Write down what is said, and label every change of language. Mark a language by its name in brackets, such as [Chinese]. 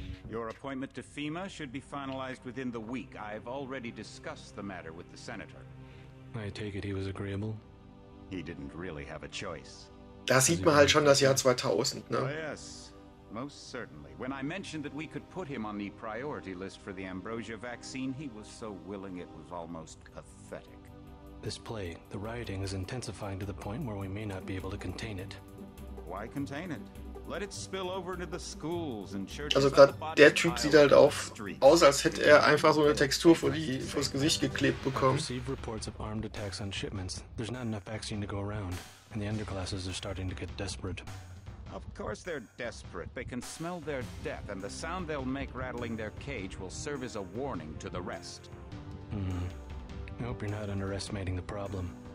[English] Your appointment to FEMA should be finalized within the week. I've already discussed the matter with the senator. I take it he was agreeable. He didn't really have a choice. [German] Da sieht man halt schon das Jahr 2000, ne? [English] Oh, yes, most certainly. When I mentioned that we could put him on the priority list for the Ambrosia vaccine, he was so willing it was almost pathetic. This plague, the rioting is intensifying to the point where we may not be able to contain it. Why contain it? Let it spill over into the schools and churches. [German] Also gerade der Typ sieht halt aus, als hätte er einfach so eine Textur vor das Gesicht geklebt bekommen. [English] I've received reports of armed attacks on shipments. There's not enough vaccine to go around, and the underclasses are starting to get desperate. Of course they're desperate. They can smell their death, and the sound they'll make rattling their cage will serve as a warning to the rest. I hope you're not underestimating the problem.